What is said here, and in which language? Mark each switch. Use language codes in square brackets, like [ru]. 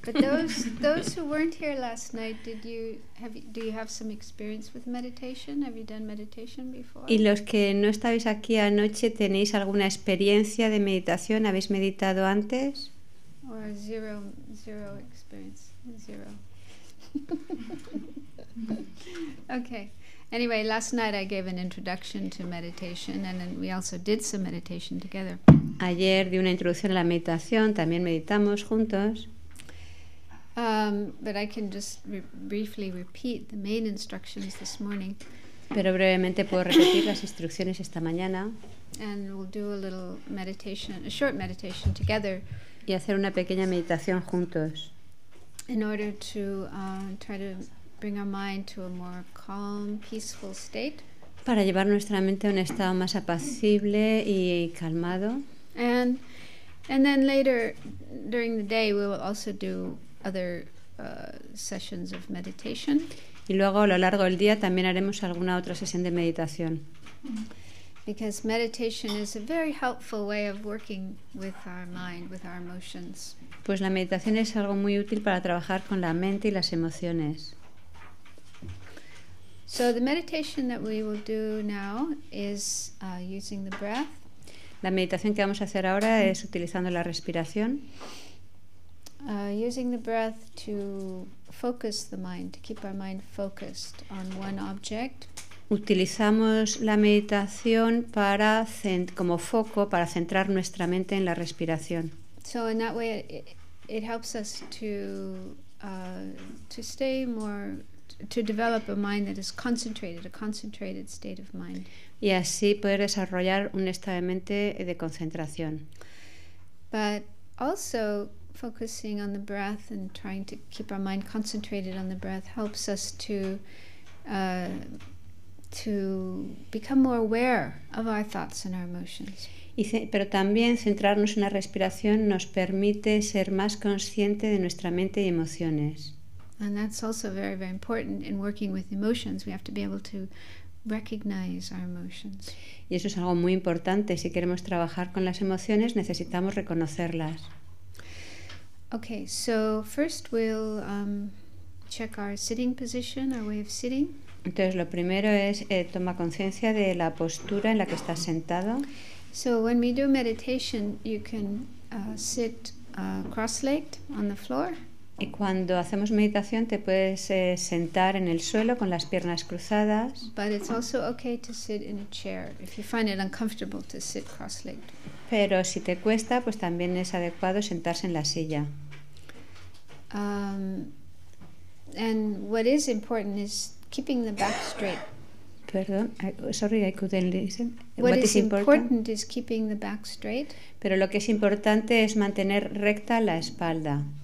[en] But those who weren't here last night, do you have some experience with meditation? Have you done meditation before? [es] Y los que no estabais aquí anoche, ¿tenéis alguna experiencia de meditación? ¿Habéis meditado antes? [en] Or zero experience. Zero. Okay. Anyway, last night I gave an introduction to meditation and then we also did some meditation together. [es] Ayer di una introducción a la meditación, también meditamos juntos. [en] But I can just briefly repeat the main instructions this morning. [es] Pero brevemente puedo repetir las instrucciones esta mañana. [en] And we'll do a little meditation, a short meditation together. [es] Y hacer una pequeña meditación juntos. [en] In order to try to bring our mind to a more calm, peaceful state. [es] Para llevar nuestra mente a un estado más apacible y calmado. [en] And then later during the day we will also do other sessions of meditation. [es] Y luego a lo largo del día también haremos alguna otra sesión de meditación. [en] Because meditation is a very helpful way of working with our mind, with our emotions. [es] Pues la meditación es algo muy útil para trabajar con la mente y las emociones. [en] So the meditation that we will do now is using the breath. [es] La meditación que vamos a hacer ahora es utilizando la respiración. [en] Using the breath to focus the mind, to keep our mind focused on one object. [es] Utilizamos la meditación para como foco para centrar nuestra mente en la respiración. [en] So in that way it helps us to stay more to develop a mind that is concentrated, a concentrated state of mind. [es] Y así poder desarrollar un estado de mente de concentración. [en] But also focusing on the breath and trying to keep our mind concentrated on the breath helps us to become more aware of our thoughts and our emotions. [es] Pero también centrarnos en la respiración nos permite ser más consciente de nuestra mente y emociones. [en] And that's also very, very important in working with emotions. We have to be able to recognize our emotions. [es] Y eso es algo muy importante. Si queremos trabajar con las emociones, necesitamos reconocerlas. [en] Okay, so first we'll check our sitting position, our way of sitting. [es] Entonces lo primero es toma conciencia de la postura en la que estás sentado. [en] So when we do meditation, you can sit cross-legged on the floor. [es] Y cuando hacemos meditación te puedes sentar en el suelo con las piernas cruzadas. [en] But it's also okay to sit in a chair if you find it uncomfortable to sit cross-legged. [es] Pero si te cuesta, pues también es adecuado sentarse en la silla. [en] And what is important is keeping the back straight. [es] Perdón, [en] sorry, I couldn't listen. What is important is keeping the back straight. [es] Pero lo que es importante es mantener recta la espalda.